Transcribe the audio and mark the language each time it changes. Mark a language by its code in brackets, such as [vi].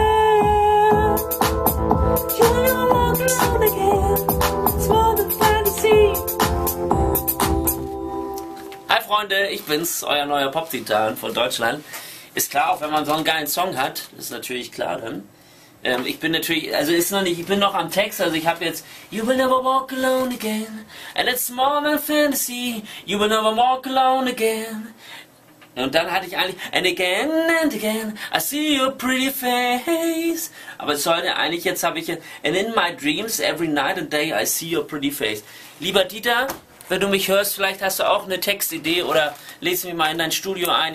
[en] Yeah, you will never walk alone again. It's more than fantasy. [de] Hi Freunde, ich bin's, euer neuer Pop-Titan von Deutschland. Ist klar, auch wenn man so einen geilen Song hat, ist natürlich klar dann. Ich bin natürlich, also ist noch nicht, ich bin noch am Text, also ich habe jetzt [en] You will never walk alone again. And it's more than fantasy. You will never walk alone again. [de] Und dann hatte ich eigentlich [en] and again, I see your pretty face. [de] Aber es sollte eigentlich, jetzt habe ich [en] and in my dreams, every night and day I see your pretty face. [de] Lieber Dieter, wenn du mich hörst, vielleicht hast du auch eine Textidee oder lese mich mal in dein Studio ein.